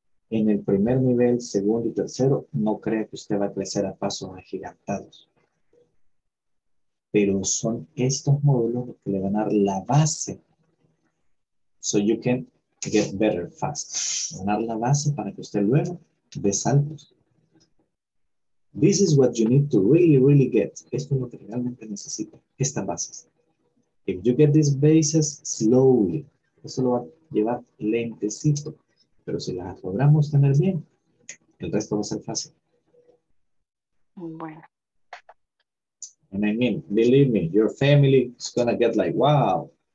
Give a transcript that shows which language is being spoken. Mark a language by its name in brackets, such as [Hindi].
[Spanish] En el primer nivel, segundo y tercero, no crea que usted va a crecer a pasos agigantados. Pero son estos módulos los que le van a dar la base. [English] So you can get better fast. [Spanish] Van a dar la base para que usted luego dé saltos. [English] This is what you need to really, really get. [Spanish] Esto es lo que realmente necesita. Estas bases. [English] If you get these bases slowly, [Spanish] eso lo va a llevar lentecito. Pero si las logramos tener bien, el resto va a ser fácil. Bueno. [English] And I mean, believe me, your family is going to get like, wow.